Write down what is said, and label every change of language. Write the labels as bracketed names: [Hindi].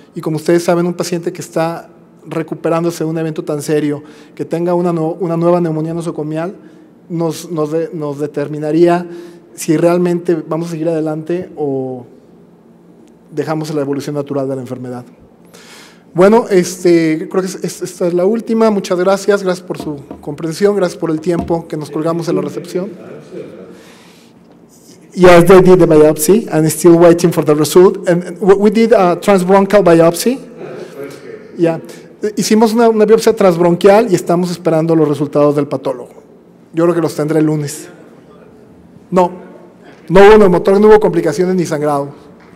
[Spanish] Y como ustedes saben, un paciente que está recuperándose de un evento tan serio, que tenga una nueva neumonía nosocomial, nos determinaría si realmente vamos a seguir adelante o dejamos la evolución natural de la enfermedad. Bueno, creo que esta es la última. Muchas gracias. Gracias por su comprensión. Gracias por el tiempo que nos colgamos en la recepción. [English] Yes, they did the biopsy and still waiting for the result. And we did a transbronchial biopsy. Yeah. [Spanish] Hicimos una biopsia transbronquial y estamos esperando los resultados del patólogo. Yo creo que los tendré el lunes. No hubo neumotórax, no hubo complicaciones ni sangrado.